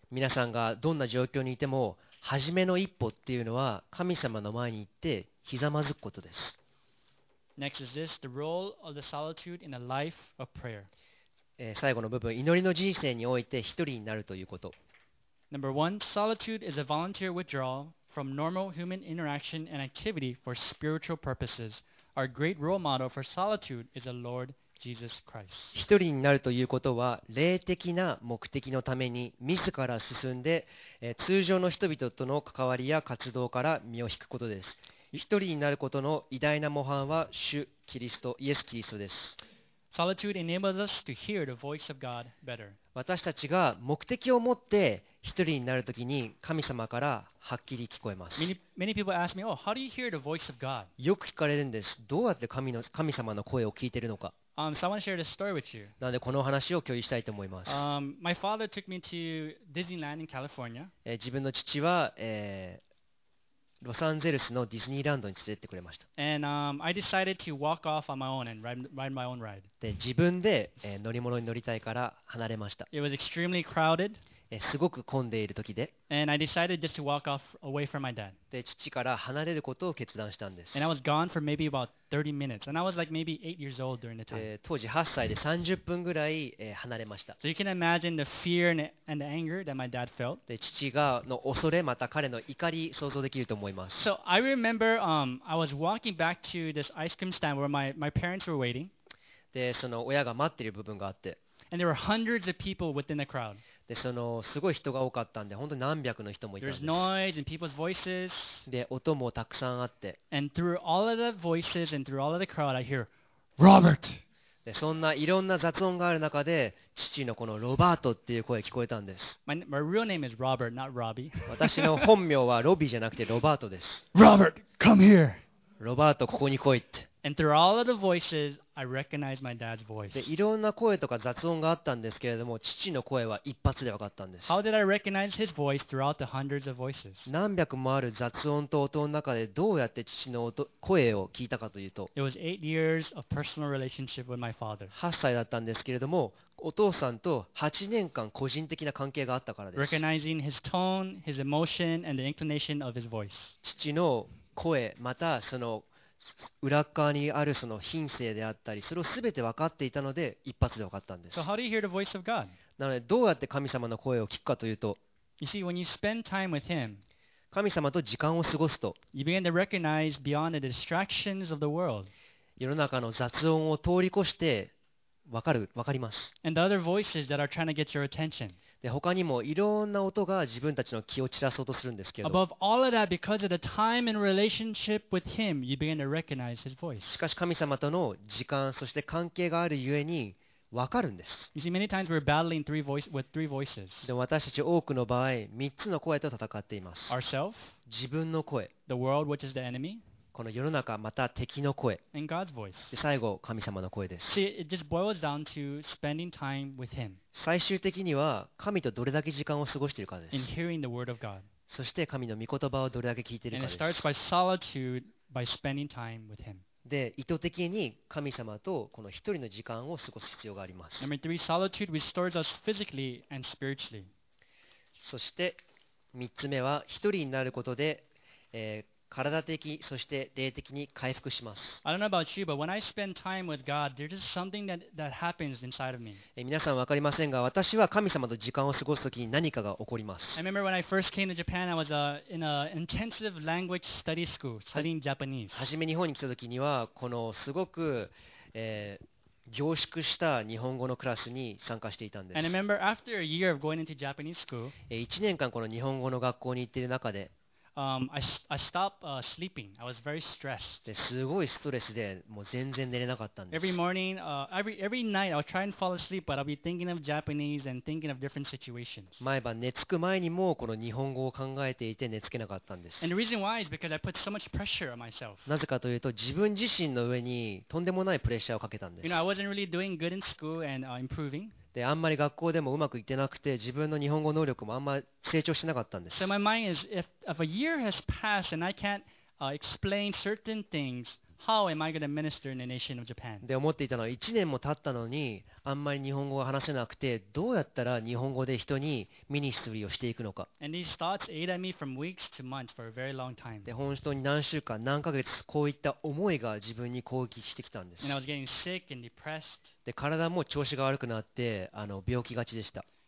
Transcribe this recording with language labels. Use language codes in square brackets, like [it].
[ja] 皆さんがどんな状況にいても初めの一歩っていうのは神様の前に行ってひざまずくことです。 [en] Next is this, the role of the solitude in a life of prayer. [ja] 最後の部分、祈りの人生において一人になるということ。 [en] Number one, solitude is a volunteer withdrawalFrom normal human interaction and activity for spiritual purposes, our great role model for solitude is the Lord Jesus Christ. [ja] 一人になるということは、霊的な目的のために自ら進んで、通常の人々との関わりや活動から身を引くことです。一人になることの偉大な模範は主キリスト、イエスキリストです。 [en] Solitude enables us to hear the voice of God better. [ja] 私たちが目的を持って一人になるときに神様からはっきり聞こえます。 [en] Many people ask me, oh, how do you hear the voice of God? [ja] よく聞かれるんです。どうやって神様の声を聞いているのか。 [en] So I want to share this story with you. [ja] なのでこの話を共有したいと思います。 [en] My father took me to Disneyland in California. [ja] 自分の父は、ロサンゼルスのディズニーランドに連れてってくれました。 [en] And I decided to walk off on my own and ride my own ride. [ja] で自分で、乗り物に乗りたいから離れました。 [en] It was extremely crowded. [ja] すごく混んでいる時で、 [en] And I decided just to walk off away from my dad. [ja] で父から離れることを決断したんです。 [en] And I was gone for maybe about 30 minutes. And I was like maybe 8 years old during the time. [ja] 当時8歳で30分ぐらい、離れました。 [en] So you can imagine the fear and the anger that my dad felt. [ja] で父がの恐れ、また彼の怒り、想像できると思います。 [en] So I remember I was walking back to this ice cream stand where my parents were waiting. [ja] でその親が待っている部分があって、 [en] And there were hundreds of people within the crowd. [ja] でそのすごい人が多かったんで、本当に何百の人もいたんです。 [en] There's noise and people's voices. [ja] で音もたくさんあって。 [en] And through all of the voices and through all of the crowd, I hear Robert. [ja] でそんないろんな雑音がある中で、父のこのロバートっていう声聞こえたんです。 [en] My real name is Robert, not Robbie. [ja] 私の本名はロビーじゃなくてロバートです。 [en] Robert, come here. [ja] ロバートここに来いって。 [en] And through all of the voices, I recognized my dad's voice. [ja] で、いろんな声とか雑音があったんですけれども、父の声は一発で分かったんです。 [en] How did I recognize his voice throughout the hundreds of voices? [ja] 何百もある雑音と音の中でどうやって父の声を聞いたかというと、 [en] It was eight years of personal relationship with my father. [ja] 8歳だったんですけれども、お父さんと8年間個人的な関係があったからです。 [en] Recognizing his tone, his emotion, and the inclination of his voice. [ja] 父の声、またその裏側にあるその品性であったり、それをすべて分かっていたので一発で分かったんです。 [en] So how do you hear the voice of God? [ja] なのでどうやって神様の声を聞くかというと、 [en] You see, when you spend time with him, [ja] 神様と時間を過ごすと、 [en] You begin to recognize beyond the distractions of the world. [ja] 世の中の雑音を通り越して分かります。 [en] And the other voices that are trying to get your attention. [ja] で他にもいろんな音が自分たちの気を散らそうとするんですけど、 [en] Above all of that, because of the time and relationship with him, you begin to recognize his voice. [ja] しかし神様との時間、そして関係があるゆえに分かるんです。 [en] You see, many times we're battling with three voices. [ja] で私たち多くの場合、三つの声と戦っています。 [en] Ourself, [ja] 自分の声、 [en] The world, which is the enemy, [ja] この世の中、また敵の声、 [en] And God's voice. [ja] で最後、神様の声です。 [en] See, it just boils down to spending time with him. [ja] 最終的には神とどれだけ時間を過ごしているかです。 [en] In hearing the word of God. [ja] そして神の御言葉をどれだけ聞いているかです。 [en] And it starts by solitude, by spending time with him. [ja] で、意図的に神様とこの一人の時間を過ごす必要があります。 [en] Number three, solitude restores us physically and spiritually. [ja] そして三つ目は、一人になることで、体的そして霊的に回復します。 [en] I don't know about you, but when I spend time with God, there's just something that happens inside of me. [ja] 皆さん分かりませんが、私は神様と時間を過ごすときに何かが起こります。 [en] I remember when I first came to Japan, I was in an intensive language study school, studying Japanese. [ja] 初め日本に来たときには、このすごく、凝縮した日本語のクラスに参加していたんです。 [en] And I remember after a year of going into Japanese school, [ja] 1年間この日本語の学校に行っている中で、 [en] I stopped sleeping. I was very stressed. Every morning, every night, I would try and fall asleep, but I'd be thinking of Japanese and thinking of different situations. And the reason why is because I put so much pressure on myself. I wasn't really doing good in school and improving. [ja] であんまり学校でもうまくいってなくて自分の日本語能力もあんまり成長しなかったんです。 [en] So my mind is, if a year has passed and I can't explain certain things, how am I going to minister in the nation of Japan? [ja] で思っていたのは1年も経ったのにあんまり日本語を話せなくてどうやったら日本語で人にミニストリーをしていくのか。 [en] And these thoughts ate at me from weeks to months for a very long time. [ja] で本当に何週間何ヶ月こういった思いが自分に攻撃してきたんです。 [en] And I was getting sick and depressed. [ja] で体も調子が悪くなってあの病気がちでした。